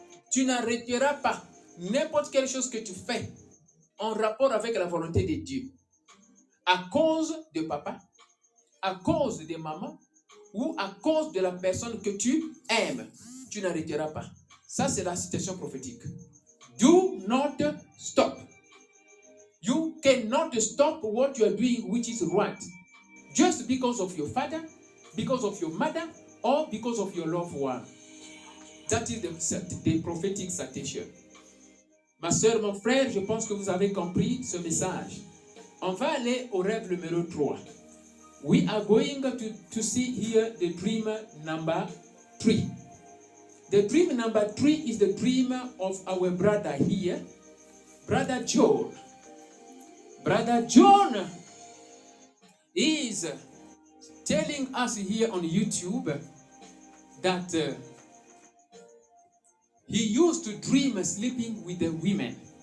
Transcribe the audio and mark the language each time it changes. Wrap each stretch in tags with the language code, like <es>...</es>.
<fr>Tu n'arrêteras pas n'importe quelle chose que tu fais en rapport avec la volonté de Dieu. À cause de papa, à cause de maman, ou à cause de la personne que tu aimes, tu n'arrêteras pas. Ça, c'est la citation prophétique.</fr> <en>Do not stop. You cannot stop what you are doing, which is right. Just because of your father, because of your mother, or because of your loved one. That is the prophetic citation.</en> <fr>Ma soeur, mon frère, je pense que vous avez compris ce message. On va aller au rêve numéro 3.</fr> <en>We are going to see here the dream number 3. The dream number 3 is the dream of our brother here, Brother John. Brother John is telling us here on YouTube that he used to dream sleeping with the women.</en>